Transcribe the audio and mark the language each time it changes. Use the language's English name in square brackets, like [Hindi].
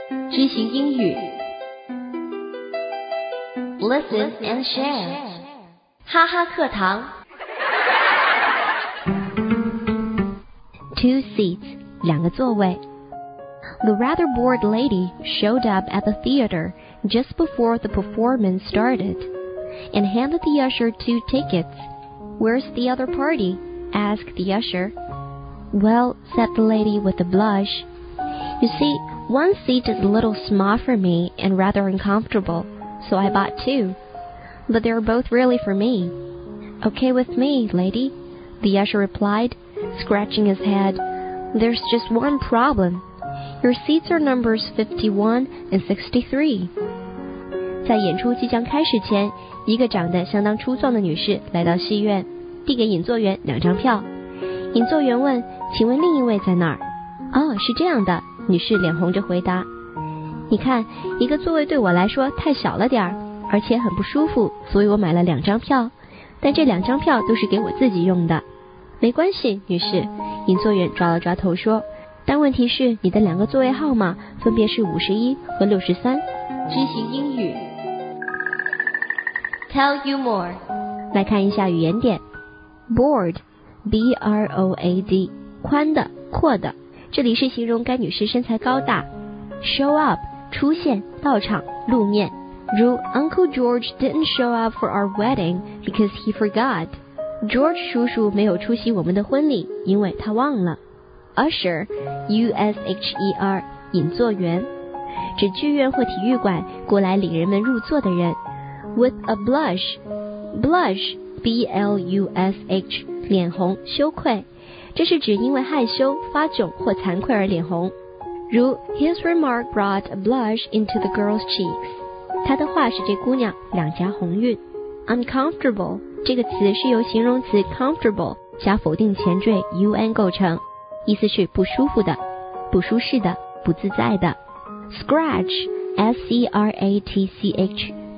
[Chinese] 知行英语 [English] Listen and share [Chinese] 哈哈课堂 [English] Two seats [Chinese] 两个座位 [English] The rather bored lady showed up at the theater just before the performance started and handed the usher two tickets Where's the other party? Asked the usher Well, said the lady with a blush You see, one seat is a little small for me and rather uncomfortable, so I bought two. But they're both really for me. Okay with me, lady, the usher replied, scratching his head. There's just one problem. Your seats are numbers 51 and 63. [Chinese] 在演出即将开始前，一个长得相当粗壮的女士来到戏院，递给引座员两张票。引座员问，请问另一位在哪儿？哦，是这样的。女士脸红着回答你看一个座位对我来说太小了点而且很不舒服所以我买了两张票但这两张票都是给我自己用的没关系女士引座员抓了抓头说但问题是你的两个座位号码分别是51和63 [English] 知行英语 Tell you more [Chinese] 来看一下语言点 Board B-R-O-A-D 宽的阔的这里是形容该女士身材高大 [English] Show up [Chinese] 出现到场露面 [English] 如 Uncle George didn't show up for our wedding because he forgot [Chinese] George 叔叔没有出席我们的婚礼因为他忘了 Usher U-S-H-E-R 引座员指剧院或体育馆过来领人们入座的人 [English] With a blush Blush B-L-U-S-H [Chinese] 脸红羞愧这是指因为害羞、发窘或惭愧而脸红。 [English] 如 His remark brought a blush into the girl's cheeks. [Chinese] 他的话使这姑娘两颊红晕。 [English] Uncomfortable [Chinese] 这个词是由形容词 comfortable 加否定前缀 un 构成，意思是不舒服的、不舒适的、不自在的。 [English] Scratch S-C-R-A-T-C-H